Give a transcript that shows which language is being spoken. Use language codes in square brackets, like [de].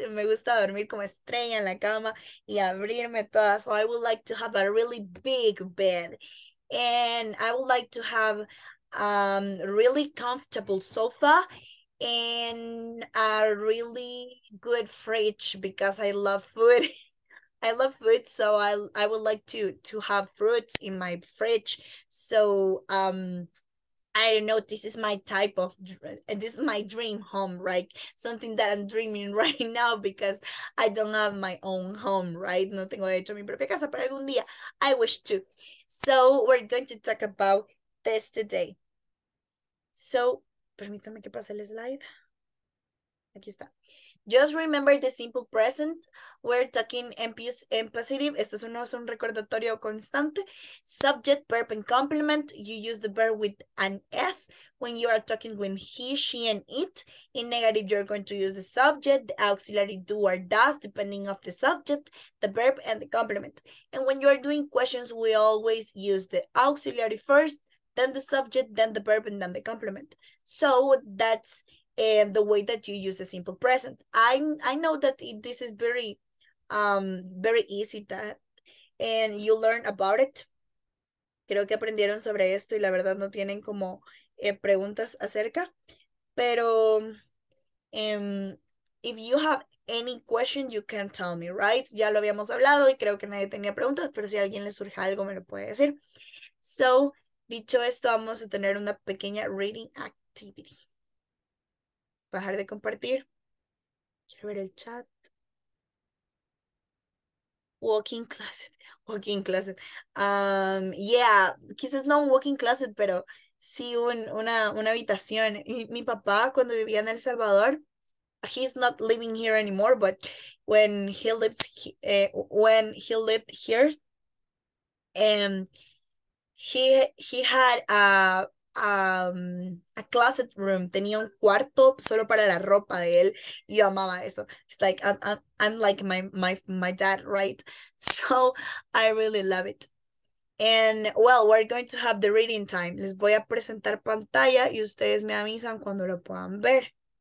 [es] Me gusta dormir como estrella en la cama y abrirme toda. [en] So I would like to have a really big bed. And I would like to have a really comfortable sofa and a really good fridge because I love food. I love food, so I would like to have fruits in my fridge. So I don't know, this is my type of, this is my dream home, right? Something that I'm dreaming right now because I don't have my own home, right? [es] No tengo hecho mi propia casa, pero algún día [en] I wish to. So we're going to talk about this today. [es] So, permítame que pase el slide. Aquí está. [en] Just remember the simple present. We're talking imperative. [es] Esto es un recordatorio constante. [en] Subject, verb, and complement. You use the verb with an S when you are talking with he, she, and it. In negative, you're going to use the subject, the auxiliary do or does, depending of the subject, the verb, and the complement. And when you are doing questions, we always use the auxiliary first, then the subject, then the verb, and then the complement. So that's and the way that you use a simple present. I know that this is very very easy that, and you learn about it. [es] Creo que aprendieron sobre esto y la verdad no tienen como preguntas acerca. [en] Pero if you have any question, you can tell me, right? [es] Ya lo habíamos hablado y creo que nadie tenía preguntas, pero si a alguien le surge algo, me lo puede decir. So, dicho esto, vamos a tener una pequeña reading activity. Bajar de compartir. Quiero ver el chat. [en] Walking closet. Walking closet. [es] Yeah, quizás no un walking closet, pero sí una habitación. Mi papá, cuando vivía en El Salvador, [en] he's not living here anymore, but when he lived here, he had a closet room. [es] Tenía un cuarto solo para la ropa de él. Yo amaba eso. [en] It's like I'm like my dad, right? So I really love it. And well, we're going to have the reading time. [es] Les voy a presentar pantalla y ustedes me avisan cuando lo puedan ver.